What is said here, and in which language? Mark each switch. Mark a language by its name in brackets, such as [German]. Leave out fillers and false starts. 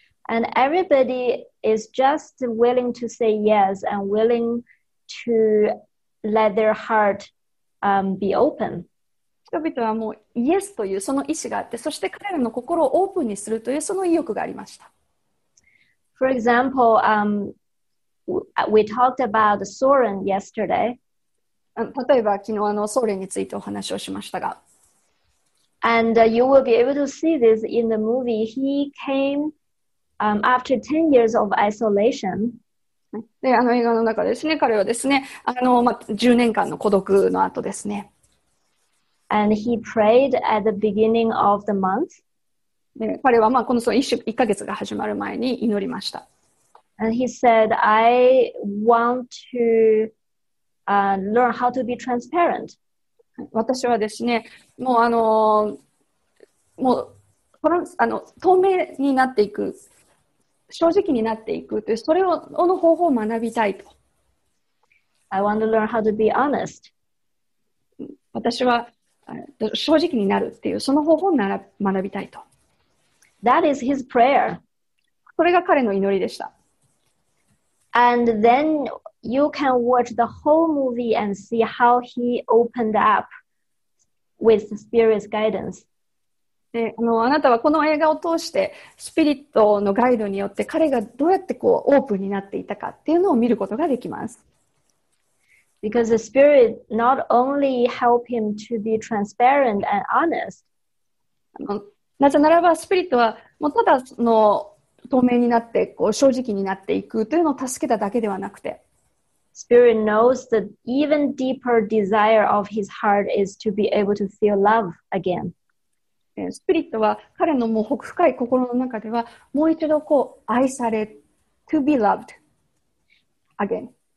[English] And everybody is just willing to say yes and willing to let their heart, be open. [Japanese] 人々はもうイエスというその意思があって、そして彼らの心をオープンにするというその意欲がありました。 [English] For example, we talked about Soren yesterday. [Japanese] 例えば昨日ソーレンについてお話をしましたが。 [English] And you will be able to see this in the movie. He came, after 10 years of isolation. [Japanese] で、映画の中ですね、彼はですね、まあ、10年間の孤独の後ですね。 [English] And he prayed at the beginning of the month. [Japanese] 彼はまあこの1ヶ月が始まる前に祈りました。 [English] And he said, I want to, learn how to be transparent. [Japanese] 私はですね、もう透明になっていく。正直になっていくという、それをの方法を学びたいと。 [English] I want to learn how to be honest. [Japanese] 私は正直になるっていう、その方法を学びたいと。 [English] That is his prayer. [Japanese] それが彼の祈りでした。 [English] And then you can watch the whole movie and see how he opened up with the Spirit's guidance. [Japanese] あなたはこの映画を通してスピリットのガイドによって彼がどうやってこうオープンになっていたかっていうのを見ることができます。 [English] Because the spirit not only helped him to be transparent and honest. [Japanese] なぜならばスピリットはもうただその透明になってこう正直になっていくというのを助けただけではなくて。 [English] Spirit knows that even deeper desire of his heart is to be able to feel love again. [Japanese] スピリットは彼のもう深い心の中ではもう一度こう愛され [English] to be loved again